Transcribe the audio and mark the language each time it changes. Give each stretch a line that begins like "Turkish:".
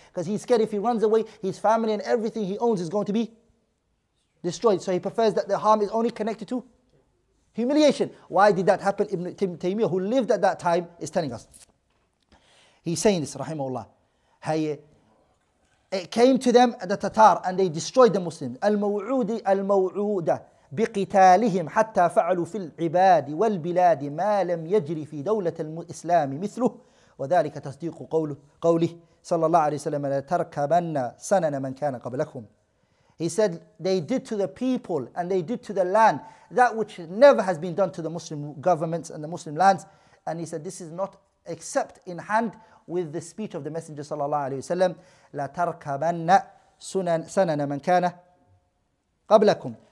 English: Because he's scared if he runs away, his family and everything he owns is going to be destroyed. So he prefers that the harm is only connected to humiliation. Why did that happen? Ibn Taymiyyah, who lived at that time, is telling us. He's saying this, rahimahullah. Hey, it came to them, the Tatar, and they destroyed the Muslims. Al-Maw'udi, Al-Maw'uda.
Arabic: بقتالهم حتى فعلوا في العباد والبلاد ما لم يجري في دولة الإسلام مثله وذلك تصديق قوله صلى الله عليه وسلم لا تركبن سنن من كان قبلكم.
English: He said they did to the people and they did to the land that which never has been done to the Muslim governments and the Muslim lands, and he said this is not except in hand with the speech of the Messenger
Arabic: صلى الله عليه وسلم لا تركبن سنن من كان قبلكم.